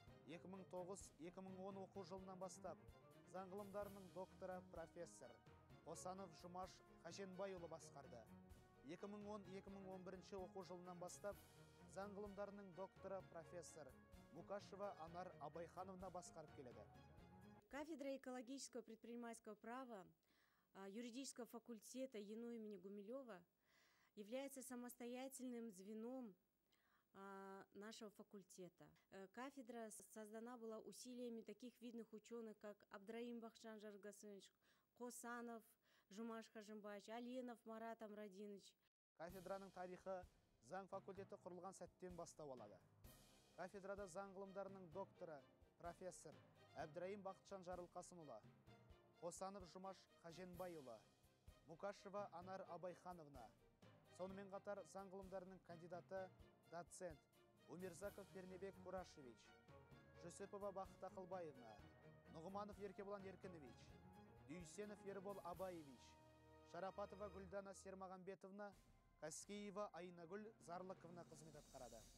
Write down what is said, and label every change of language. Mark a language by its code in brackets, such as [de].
[kk] 2009-2010 оқу жылынан бастап заң ғылымдарының докторы профессор Қосанов Жұмаш Хаженбайұлы басқарды. 2010-2011 оқу жылынан бастап заң ғылымдарының докторы профессор Мукашева Анар Абайхановна басқарып келеді. [ru] Кафедра экологического предпринимательского права юридического факультета ЕНУ имени Гумилева является самостоятельным звеном нашего факультета. Кафедра создана была усилиями таких видных ученых, как Абдраим Бахчан Жаргасынович, Хосанов Жумаш Хажимбаевич, Алинов Марат Амрадинович. [kk] Кафедраның тарихы заң факультеті құрылған сәттен бастау алады. Кафедрада заң ғылымдарының докторы, профессор Абдраим Бахчан Жарылқасынұлы, Хосанов Жумаш Хаженбайұлы, Мукашева Анар Абайхановна, сонымен қатар заң ғылымдарының кандидаты, доцент Умирзаков Пернебек Курашевич, Жүсіпова Бақыт Ақылбайына, Нұғыманов Еркебұлан Еркінович, Дүйсенов Ербол Абаевич, Шарапатова Гүлдана Сермағанбетовна, Каскеева Айнагүл Зарлықовна қызмет атқарады.